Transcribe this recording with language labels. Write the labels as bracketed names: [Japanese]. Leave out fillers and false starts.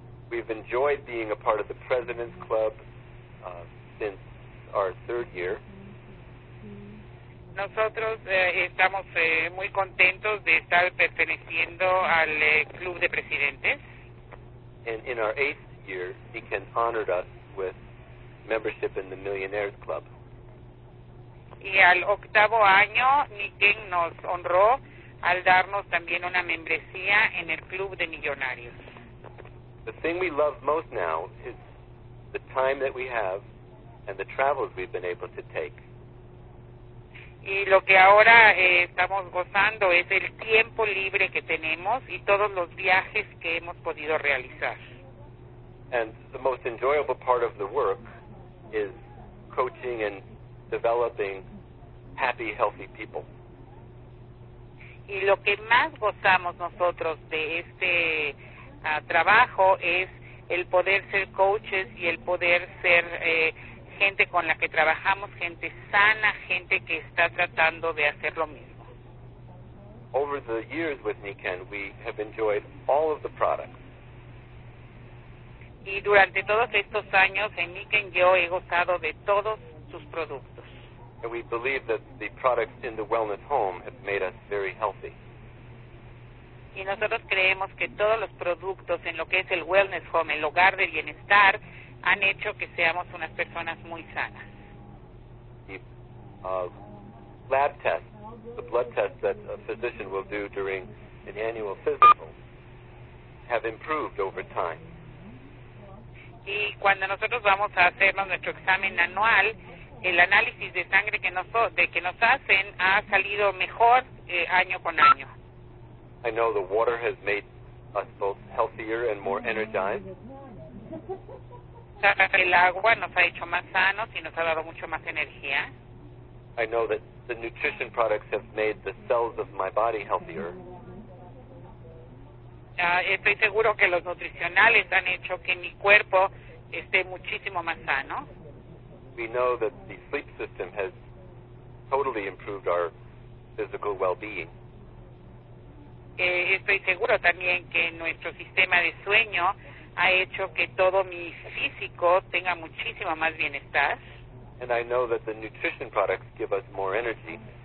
[English] We've enjoyed being a part of the President's Club since our third year. [Spanish] Nosotros estamos muy contentos de estar perteneciendo al Club de Presidentes. [English] And in our eighth year, Nikken honored us with membership in the Millionaires Club. [Spanish] Y al octavo año, Nikken nos honró al darnos también una membresía en el Club de Millonarios. [English] The thing we love most now is the time that we have and the travels we've been able to take. [Spanish] Y lo que ahora estamos gozando es el tiempo libre que tenemos y todos los viajes que hemos podido realizar. [English] And the most enjoyable part of the work is coaching and developing happy, healthy people. [Spanish] Y lo que más gozamos nosotros de este trabajo es el poder ser coaches y el poder ser gente con la que trabajamos, gente sana, gente que está tratando de hacer lo mismo. [English] Over the years with Nikken, we have enjoyed all of the products. [Spanish] Y durante todos estos años en Nikken, yo he gozado de todos sus productos. [English] And we believe that the products in the wellness home have made us very healthy. [Spanish] Y nosotros creemos que todos los productos en lo que es el wellness home, el hogar de bienestar, han hecho que seamos unas personas muy sanas. [English] The lab test, the blood test that a physician will do during an annual physical, have improved over time. [Spanish] Y cuando nosotros vamos a hacernos nuestro examen anual, el análisis de sangre que nos hacen ha salido mejor año con año. [English] I know the water has made us both healthier and more energized. [Spanish] El agua nos ha hecho más sanos y nos ha dado mucho más energía. [English] I know that the nutrition products have made the cells of my body healthier. [Spanish] Estoy seguro que los nutricionales han hecho que mi cuerpo esté muchísimo más sano. [English] We know that the sleep system has totally improved our physical well-being. [Spanish] Estoy seguro también que nuestro sistema de sueño ha hecho que todo mi físico tenga muchísimo más bienestar. [English] And I know that the nutrition products give us more energy.